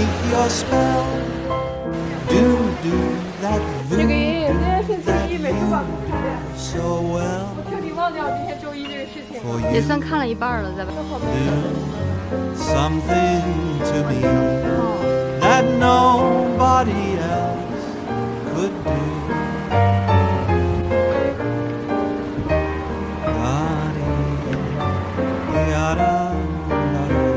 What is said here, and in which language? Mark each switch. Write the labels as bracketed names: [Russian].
[English] Your spell, do do that voodoo that you do so well. [Chinese] 我彻底忘掉今天周一这个事情了，也算看了一半了，再吧。 [English] Do something to me that nobody else could do. Yada, yada.